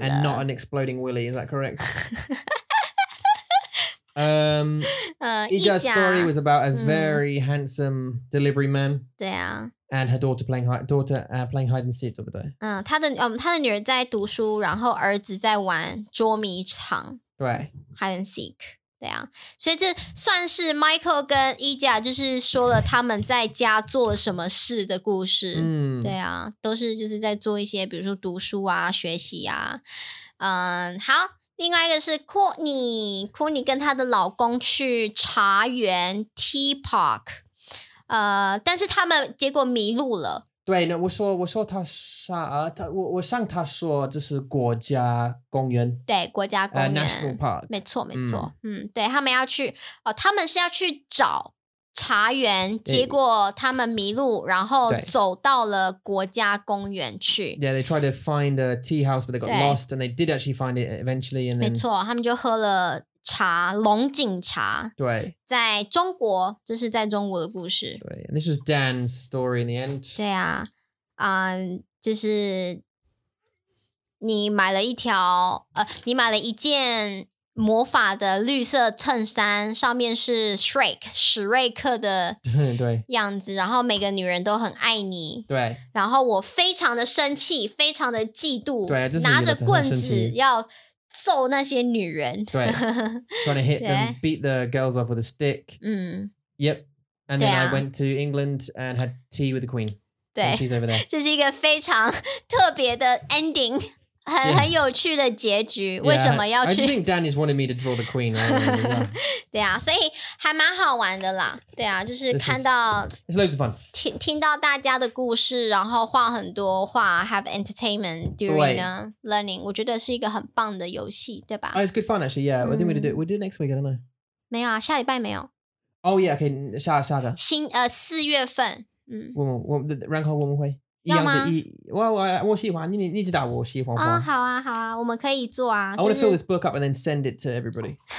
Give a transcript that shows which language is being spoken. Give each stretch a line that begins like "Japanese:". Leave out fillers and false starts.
English: And not an exploding willy, is that correct? Ija's story was about a very handsome delivery man.
Chinese: 对啊。
English: And her daughter playing hide and seek,
Chinese: 对不对？她的女儿在读书，然后儿子在玩捉迷藏。对。
English: Hide and seek,
Chinese: 对啊。所以这算是 Michael 跟 Ija 就是说了他们在家做了什么事的故事。对啊，都是就是在做一些，比如说读书啊、学习啊。好，另外一个是 Courtney 跟她的老公去茶园 Tea Park， 但是他们结果迷路了。对，那我说他上他我上他说这是国家公园。对，国家公园
English: National Park，
Chinese: 没错没错。对他们要去他们是要去找。茶园，结果他们迷路，然后走到了国家公园去。
English: Yeah, they tried to find a tea house, but they got lost, and they did actually find it eventually. And then,
Chinese: 没错，他们就喝了茶，龙井茶。对，在中国，这是在中国的故事。对
English: ，and this was Dan's story in the end.
Chinese: 对啊，就是你买了一条，你买了一件。魔法的绿色衬衫上面是 Shrek 史瑞克的样子，然后每个女人都很爱你，对，然后我非常的生气，非常的嫉妒，对，就是、拿着棍子要揍那些女人，对
English: trying to hit them, beat the girls off with a stick, yep, and then I went to England and had tea with the queen, and she's over there.
Chinese: 这是一个非常特别的 ending, 很有趣的结局
English: yeah,
Chinese: 为什么要去
English: I just think Danny's wanted me to draw the queen right?
Chinese: 对啊所以还蛮好玩的啦 对啊就是看到
English: It's loads of fun
Chinese: 听到大家的故事 然后画很多画
English: Have entertainment during the learning
Chinese: 我觉得是一个很棒的游戏 对吧
English: Oh, it's good fun actually yeah I think we'll do it next week I don't know
Chinese: 没有啊下礼拜没有
English: Oh yeah okay
Chinese: 下个四月份然后我们会要吗？我喜欢，你知道我喜欢。好啊，好啊，我们可以做啊。I
English: want to fill this book up and then send it to everybody.